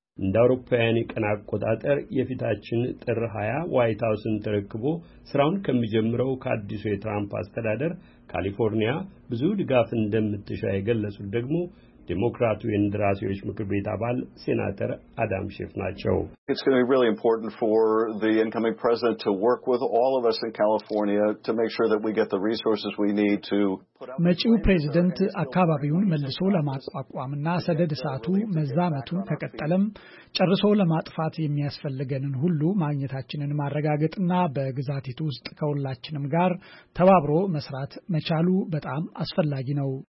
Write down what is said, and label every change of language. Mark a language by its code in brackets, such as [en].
[am] እንደ አውሮፓውያን ቀን አቆጣጠር የፊታችን ጥር 20 ዋይት ሃውስን ተረክቦ ስራውን ከመጀመሩ ከአዲሱ የትራምፕ አስተዳደር ካሊፎርኒያ ብዙ ድጋፍ እንደምትሻ የገለጹት ደግሞ ዲሞክራቱ የእንደራሴዎች ምክር ቤት አባል ሴናተር አዳም ሼፍ ናቸው። [en] It's going to be really important for the incoming president to work with all of us in California to make sure that we get the resources we need to [am] መጪው ፕሬዝዳንት አካባቢውን መልሶ ለማቋቋምና ሰደድ እሳቱ መዛመቱን ተከተለም ጨርሶ ለማጥፋት የሚያስፈልገንን ሁሉ ማግኘታችንን ማረጋገጥና በግዛቲቱ ውስጥ ከሁላችንም ጋር ተባብሮ መስራት መቻሉ በጣም አስፈላጊ ነው።